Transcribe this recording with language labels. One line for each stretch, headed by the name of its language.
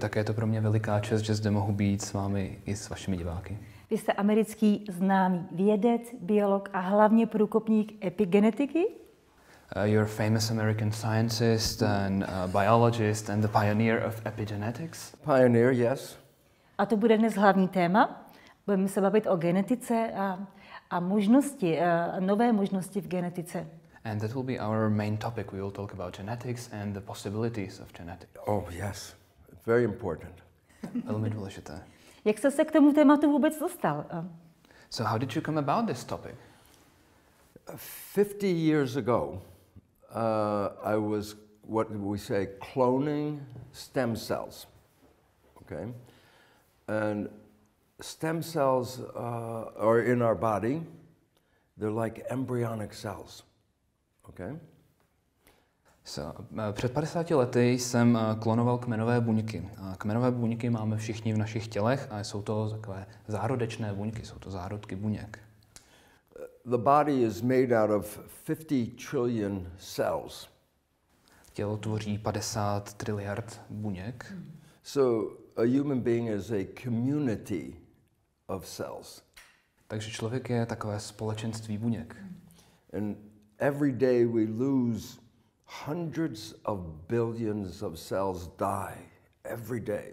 Czech: Také je to pro mě veliká čest, že zde mohu být s vámi i s vašimi diváky. Vy jste americký známý vědec, biolog a hlavně průkopník epigenetiky?
English: You're a famous American scientist and a biologist and the pioneer of epigenetics. Pioneer, yes.
Czech: A to bude dnes hlavní téma. Budeme se bavit o genetice a možnosti, a nové možnosti v genetice.
English: And that will be our main topic. We will talk about genetics and the possibilities of genetics. Oh, yes. Very important.
Czech: Velmi důležité. Jak jste se k tomu tématu vůbec dostal?
English: So how did you come about this topic? 50 years ago, I was, what we say, cloning stem cells. Okay? And stem cells are in our body. They're like embryonic cells. Okay?
Czech: So, před 50 lety jsem klonoval kmenové buňky. Kmenové buňky máme všichni v našich tělech a jsou to takové zárodečné buňky, jsou to zárodky buněk.
English: The body is made out of 50 trillion cells.
Czech: Tělo tvoří 50 triliard buněk.
English: So a human being is a community of cells.
Czech: Takže člověk je takové společenství buněk.
English: And every day we lose hundreds of billions of cells die every day.